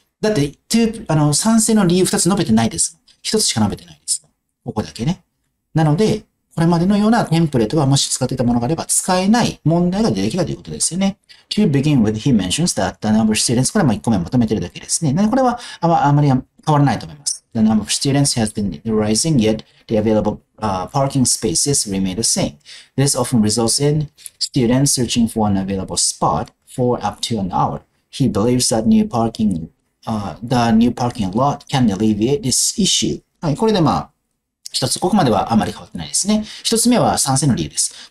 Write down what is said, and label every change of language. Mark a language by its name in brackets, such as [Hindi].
[Japanese] だって、賛成の理由二つ述べてないです。一つしか述べてないです。ここだけね。なので、これまでのようなテンプレートはもし使ってたものがあれば使えない問題が出てきたということですよね。 [English] To begin with, he mentions that the number of students, [Japanese] これはもう1個目まとめてるだけですね。これはあまり変わらないと思います。 [English] The number of students has been rising, yet the available、parking spaces remain the same. This often results in students searching for an available spot for up to an hour. He believes that the new parking lot can alleviate this issue. [Japanese] はい、これでまあ、一つ、ここまではあまり変わってないですね。一つ目は賛成の理由です。